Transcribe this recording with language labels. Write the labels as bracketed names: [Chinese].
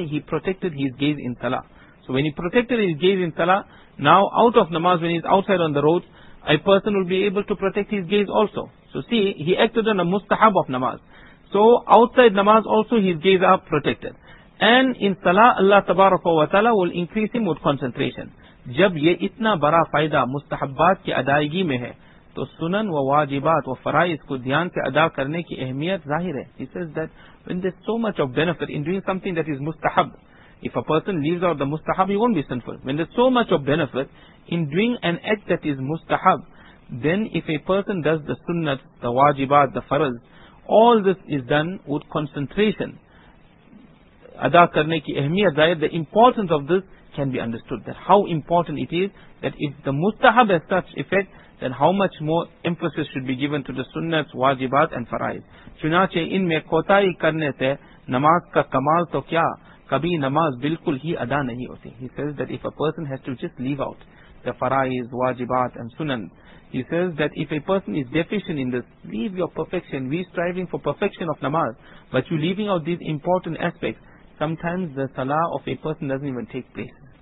[English] He protected his gaze in salah. So when he protected his gaze in salah, now out of namaz, when he's outside on the road, a person will be able to protect his gaze also. So see, he acted on a mustahab of namaz. So outside namaz also his gaze are protected. And in salah, Allah tabaraka wa ta'ala will increase him with concentration. [Urdu] جب یہ اتنا بڑا فائدہ مستحبات کی ادائیگی میں ہے تو سنن و واجبات و فرائض کو دھیان سے ادا کرنے کی اہمیت ظاہر ہے. [English] He says that when there's so much of benefit in doing something that is mustahab, if a person leaves out the mustahab, he won't be sinful. When there's so much of benefit in doing an act that is mustahab, then if a person does the sunnat, the wajibat, the faraz, all this is done with concentration. ادا کرنے کی اہمیت ظاہر, the importance of this can be understood, that how important it is, that if the mustahab has such effect, then how much more emphasis should be given to the sunnats, wajibat and farais. [Urdu] چنانچہ ان میں کوتاہی کرنے سے نماز کا کمال تو کیا, کبھی نماز بالکل ہی ادا نہیں ہوتی. [English] He says that if a person has to just leave out the farais, wajibat and sunan, he says that if a person is deficient in this, leave your perfection, we striving for perfection of namaz, but you leaving out these important aspects, sometimes the salah of a person doesn't even take place.